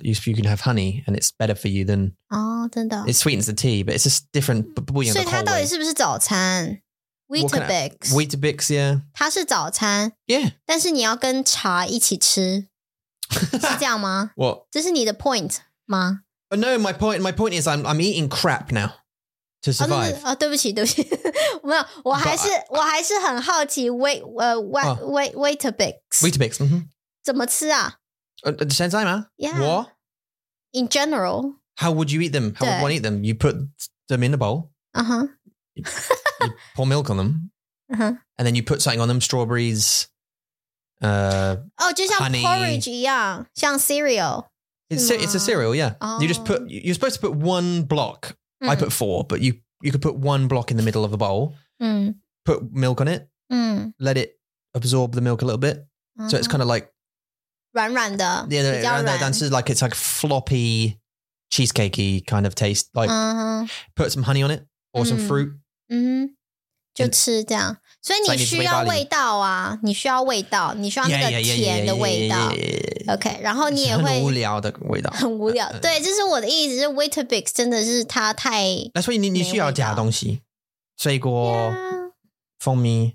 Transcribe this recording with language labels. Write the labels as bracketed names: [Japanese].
[English] You can have honey, and it's better for you than. [Chinese] 哦，真的。 [English] It sweetens the tea, but it's just different. [Chinese] 不一样的口味。所以它到底是不是早餐？ [English] Weetabix, yeah. [Chinese] 它是早餐 [English] Yeah. [Chinese] 但是你要跟茶一起吃是这样吗 [English] What? [Chinese] 这是你的 point 吗 [English] No, my point is I'm eating crap now to survive. [Chinese] 哦, 对不起对不起没有我还是 But, 我还是很好奇 Weetabix. [English] Weetabix, [Chinese] 怎么吃啊现在吗 [English] Yeah. [Chinese] 我 [English] In general. How would you eat them? How would one eat them? You put them in a bowl? You pour milk on them, and then you put something on them, strawberries, oh, just honey. Like porridge, 一样像 cereal. It's a cereal, yeah. Oh. You're supposed to put one block. I put four, but you could put one block in the middle of a bowl, put milk on it, let it absorb the milk a little bit. So it's kind of like. [Chinese] 软软的 [English] Yeah, [Chinese] 比较软 [English] 的但是 like, it's like floppy, cheesecakey kind of taste. Like, put some honey on it or some fruit. [Chinese] 嗯，就吃这样，所以你需要味道啊，你需要味道，你需要那个甜的味道。 OK， 然后你也会很无聊的味道，很无聊。对，这是我的意思，就 Weetabix 真的是它太…… 那所以你需要加东西，水果、蜂蜜。